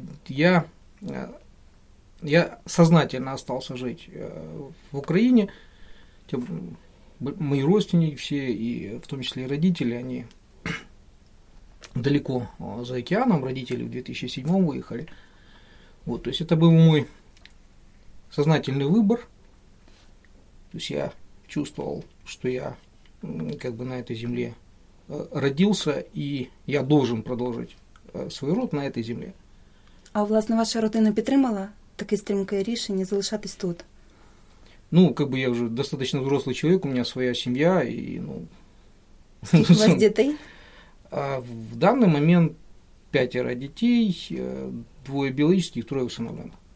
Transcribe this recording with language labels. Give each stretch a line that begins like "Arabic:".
Ukrainian: Я сознательно залишився жити в Україні. Мої родственники всі, і в тому числі родители, вони далеко за океаном, родители в 2007 виїхали.
Russian: Вот, то есть это був мой сознательный выбор. То есть я чувствовал, что я как бы на этой земле родился, и я должен продолжить свой род на этой земле.
Ukrainian: А, власне, ваша родина підтримала таке стрімке рішення залишатись тут?
Russian: Ну, как бы я уже достаточно взрослый человек, у меня своя семья, и, ну...
Ukrainian: Скільки у вас дітей? В данный момент 5 дітей, 2 біологічних, 3 усиновлених.